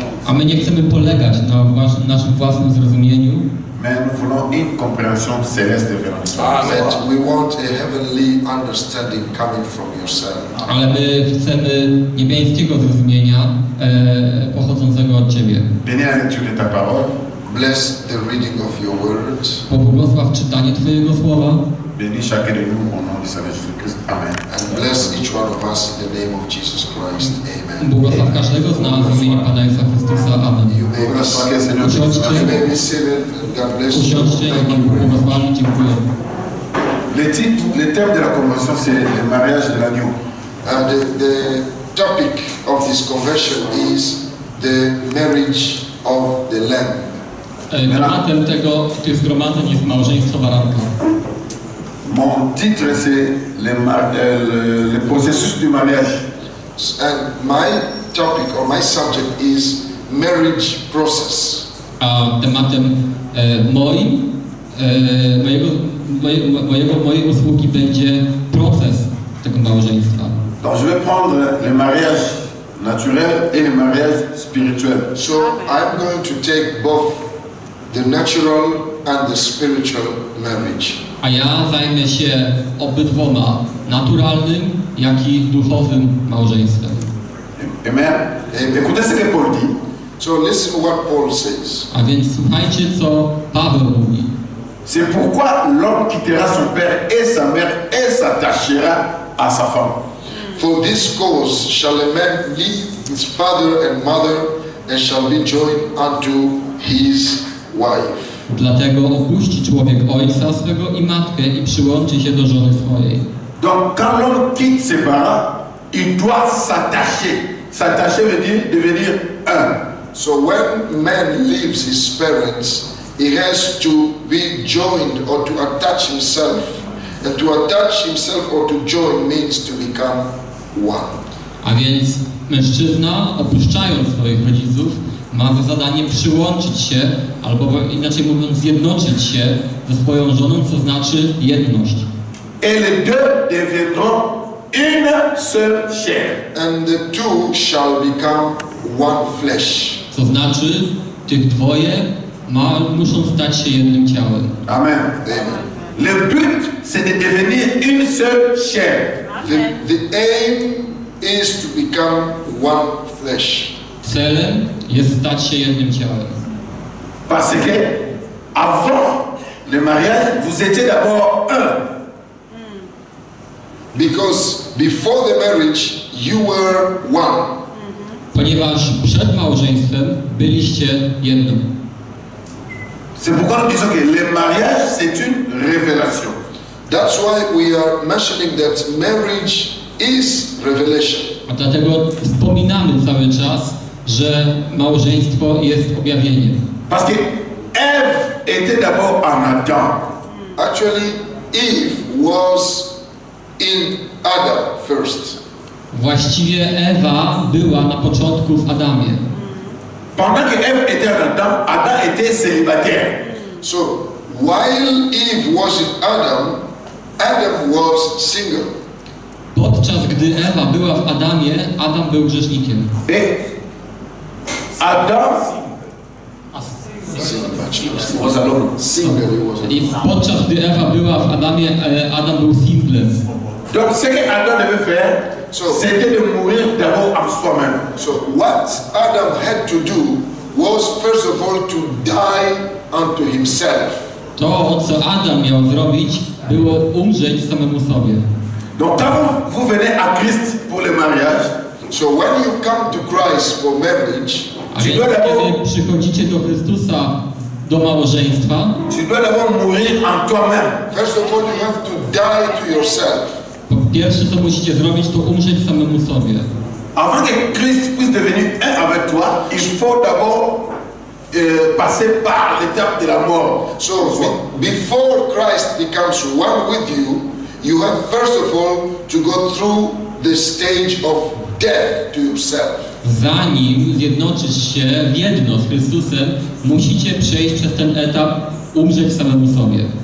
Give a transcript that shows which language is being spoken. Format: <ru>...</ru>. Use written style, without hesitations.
<pl>A my nie chcemy polegać na naszym własnym zrozumieniu.</pl> <fr>Mais nous voulons une compréhension céleste de Amen.</fr> <en>But we want a heavenly understanding coming from yourself.</en> <pl>Ale my chcemy niebieskiego zrozumienia pochodzącego od Ciebie.</pl> <fr>Bénis la lecture de ta parole.</fr> <en>Bless the reading of your word.</en> <pl>Pobłogosław czytanie Twojego słowa.</pl> <fr>Bénis chacun de nous au nom du Seigneur Jésus Christ. Amen.</fr> <en>And bless each one of us in the name of Jesus Christ. Amen.</en> <pl>Błogosław każdego z nas w imieniu Pana Jezusa Chrystusa. Amen. Usiądźcie i błogosławmy. Dziękuję.</pl> <fr>Le thème de la conversion, c'est le mariage de l'agneau.</fr> <en>The topic of this conversion is the marriage of the lamb.</en> <pl>Tematem tego, tych zgromadzeń jest małżeństwo baranka.</pl> <fr>Mon titre c'est le processus du mariage.</fr> <en>And my topic or my subject is marriage process.</en> <pl>A tematem mojego usługi będzie proces tego małżeństwa.</pl> <fr>Donc je vais prendre le mariage naturel et le mariage spirituel.</fr> <en>So I'm going to take both the natural and the spiritual marriage.</en> <pl>A ja zajmę się obydwoma, naturalnym, jak i duchowym małżeństwem.</pl> <fr>Amen. Écoutez ce que Paul dit.</fr> <en>So listen what Paul says.</en> <pl>A więc słuchajcie, co Paweł mówi.</pl> <fr>C'est pourquoi l'homme quittera son père et sa mère et s'attachera à sa femme.</fr> <en>For this cause shall a man leave his father and mother and shall be joined unto his wife.</en> <pl>Dlatego opuści człowiek ojca swego i matkę i przyłączy się do żony swojej.</pl> <fr>Donc quand l'homme quitte ses parents, il doit s'attacher. S'attacher veut dire devenir un.</fr> <en>So when man leaves his parents, he has to be joined or to attach himself. And to attach himself or to join means to become one.</en> <pl>A więc mężczyzna, opuszczając swoich rodziców, ma za zadanie przyłączyć się, albo inaczej mówiąc, zjednoczyć się ze swoją żoną, co znaczy jedność.</pl> <fr>Et les deux deviendront une seule chair.</fr> <en>And the two shall become one flesh.</en> <pl>Co znaczy, tych dwoje muszą stać się jednym ciałem. Amen. Amen.</pl> <fr>Le but, c'est de devenir une seule chair.</fr> <en>The aim is to become one flesh.</en> <pl>Celem jest stać się jednym ciałem.</pl> <fr>Parce que avant le mariage, vous étiez d'abord un.</fr> <en>Because before the marriage, you were one.</en> <pl>Ponieważ przed małżeństwem byliście jednym.</pl> <fr>C'est pourquoi nous disons que le mariage, c'est une révélation.</fr> <en>That's why we are mentioning that marriage is revelation.</en> <pl>A dlatego wspominamy cały czas, że małżeństwo jest objawieniem.</pl> <fr>Parce que Eve était d'abord en Adam.</fr> <en>Actually, Eve was in Adam first.</en> <pl>Właściwie Ewa była na początku w Adamie.</pl> <fr>Pendant que Eve était en Adam, Adam était célibataire.</fr> <en>So, while Eve was in Adam, Adam was single.</en> <pl>Podczas gdy Ewa była w Adamie, Adam był grzesznikiem.</pl> <en>Adam was alone.</en> <pl>Podczas gdy Ewa była w Adamie, Adam był single.</pl> <fr>Donc ce que Adam devait faire, c'était de mourir d'abord en soi-même.</fr> <en>So what Adam had to do was first of all to die unto himself.</en> <pl>To, co Adam miał zrobić, było umrzeć samemu sobie.</pl> <fr>Donc quand vous venez à Christ pour le mariage,</fr> <en>so when you come to Christ for marriage,</en> <pl>kiedy przychodzicie do Chrystusa do małżeństwa,</pl> <fr>tu dois d'abord mourir en toi-même.</fr> <en>First of all, you have to die to yourself.</en> <pl>Po pierwsze, co musicie zrobić, to umrzeć samemu sobie.</pl> <fr>Avant que Christ puisse devenir un avec toi, il faut d'abord passer par l'étape de la mort.</fr> <en>So, before Christ becomes one with you, you have first of all to go through the stage of death to yourself.</en> <pl>Zanim zjednoczysz się w jedno z Chrystusem, musicie przejść przez ten etap umrzeć samemu sobie.</pl>